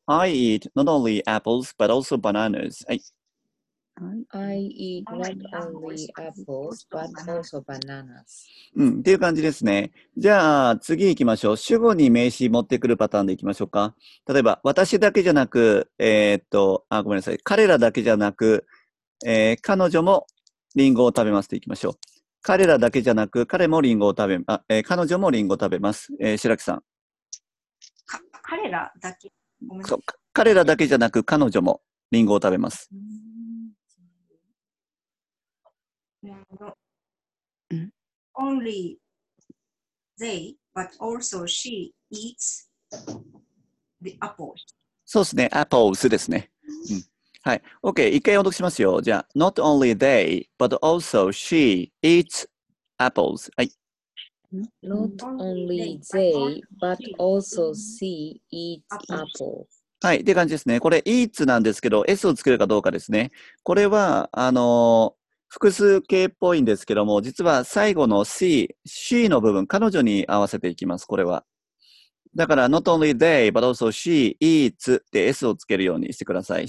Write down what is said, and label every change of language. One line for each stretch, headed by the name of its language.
English: I eat not only apples, but also bananas.、
Japanese: はい、
English: I eat not only apples, but also bananas.、
Japanese: うん、っていう感じですね。じゃあ次いきましょう。主語に名詞持ってくるパターンでいきましょうか。例えば、私だけじゃなく、あ、ごめんなさい。彼らだけじゃなく、彼女もリンゴを食べますといきましょう。彼らだけじゃなく、彼もリンゴを食べ、彼女もリンゴを食べます。白木さん。彼らだけ、ごめんなさい。そう、彼らだけじゃなく、彼女もリンゴを食べます。
English: Only they, but also she eats the apples.
Japanese: そうですね、apples ですね。はい、OK、一回音読しますよ。じゃあ、
English: Not only they, but also she eats apples.
Japanese: はい。
English: Not only they, but also she eats apples.
Japanese: はい、って感じですね。これ、eats なんですけど、S をつけるかどうかですね。これは、複数形っぽいんですけども、実は最後の C、C の部分、彼女に合わせていきます、これは。だから、
English: not only they, but also she, eats
Japanese: って S をつけるようにしてください。